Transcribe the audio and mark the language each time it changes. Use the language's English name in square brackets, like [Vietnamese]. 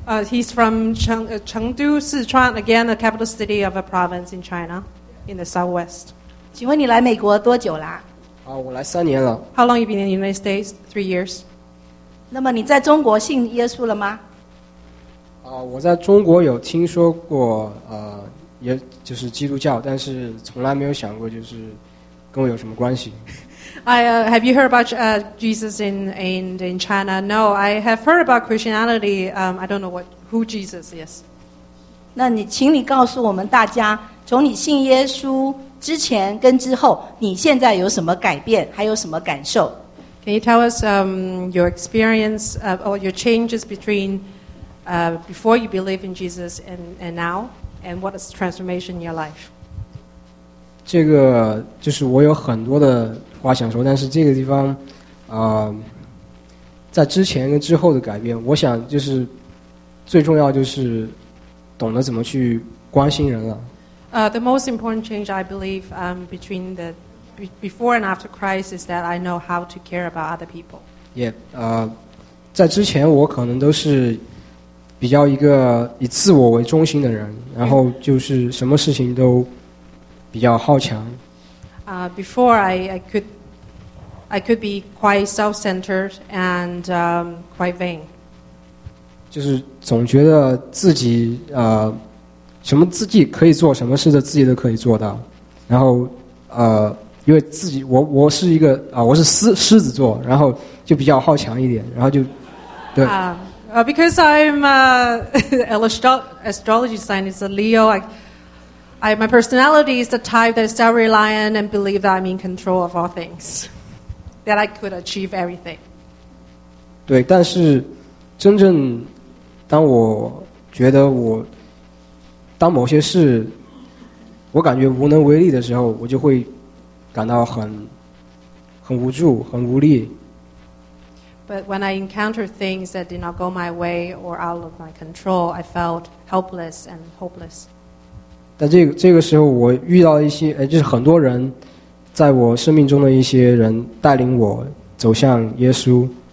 [English] He's from Chengdu, Sichuan, again the capital city of a province in China, in the southwest. [Chinese] 请问你来美国多久啦？我来三年了。 [English] How long have you been in the United States? 3 years. [Chinese] 那么你在中国信耶稣了吗？我在中国有听说过，也就是基督教，但是从来没有想过就是跟我有什么关系。 [English] Have you heard about Jesus in China? No, I have heard about Christianity. I don't know who Jesus is. [Chinese] 那你请你告诉我们大家，从你信耶稣。之前跟之后，你现在有什么改变？还有什么感受 [English] ？Can you tell us your experience or your changes between before you believe in Jesus and now, and what is transformation in your life? [Chinese] 这个就是我有很多的话想说，但是这个地方，在之前跟之后的改变，我想就是最重要就是懂得怎么去关心人了。 [English] The most important change, I believe, between the before and after Christ is that I know how to care about other people. Yeah. In the past, I was a very self-centered person, and I was very self-centered. Before, I could be quite self-centered and quite vain. [Chinese] 就是总觉得自己什么自己可以做，什么事的自己都可以做到。然后，因为自己，我是一个我是狮子座，然后就比较好强一点，然后就，对。 [English] Because I'm astrology sign is a Leo. My personality is the type that is self-reliant and believe that I'm in control of all things, that I could achieve everything. [Chinese] 对，但是真正当我觉得我。当某些事我感觉无能为力的时候，我就会感到很无助，很无力。 [English] But when I encountered things that did not go my way or out of my control, I felt helpless and hopeless. [Chinese] 但这个时候，我遇到一些就是很多人，在我生命中的一些人带领我走向耶稣。